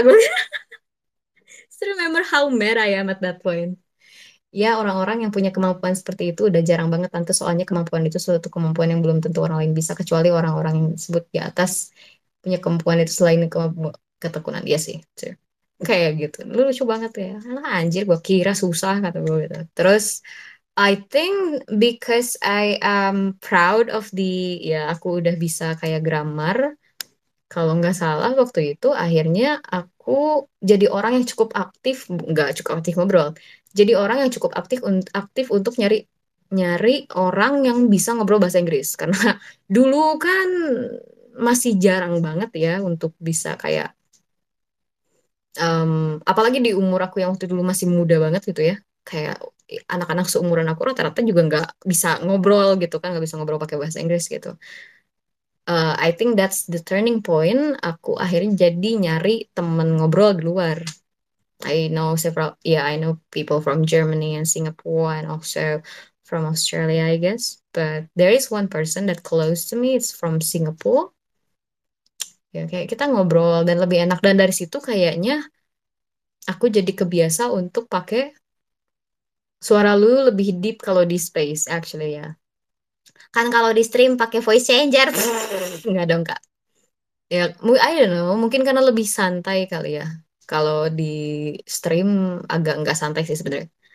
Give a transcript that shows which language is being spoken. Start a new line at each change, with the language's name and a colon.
Indonesian: Gue
English: remember how mad I am at that point.
Indonesian: Ya, orang-orang yang punya kemampuan seperti itu udah jarang banget tante, soalnya kemampuan itu suatu kemampuan yang belum tentu orang lain bisa, kecuali orang-orang yang disebut di atas punya kemampuan itu selain ketekunan dia sih. Kayak gitu. Lu lucu banget ya. Nah, anjir, gua kira susah kata gua gitu. Terus
English: I think because I am proud of the,
Indonesian: ya aku udah bisa kayak grammar. Kalau nggak salah waktu itu akhirnya aku jadi orang yang cukup aktif, nggak cukup aktif ngobrol. Jadi orang yang cukup aktif untuk nyari nyari orang yang bisa ngobrol bahasa Inggris, karena dulu kan masih jarang banget ya untuk bisa kayak apalagi di umur aku yang waktu dulu masih muda banget gitu ya, kayak anak-anak seumuran aku rata-rata juga nggak bisa ngobrol gitu kan, nggak bisa ngobrol pakai bahasa Inggris gitu.
English: I think that's the turning point.
Indonesian: Aku akhirnya jadi nyari temen ngobrol di luar.
English: I know several, yeah, I know people from Germany and Singapore and also from Australia, I guess. But there is one person that close to me, it's from Singapore.
Indonesian: Ya, kayak kita ngobrol dan lebih enak. Dan dari situ kayaknya aku jadi kebiasa untuk pakai suara lu lebih deep kalau di space, actually, ya.
English: Yeah.
Indonesian: Kan kalau di stream pakai voice changer. Enggak dong, Kak. Ya,
English: I don't know,
Indonesian: mungkin karena lebih santai kali ya. Kalau di stream agak enggak santai sih sebenarnya.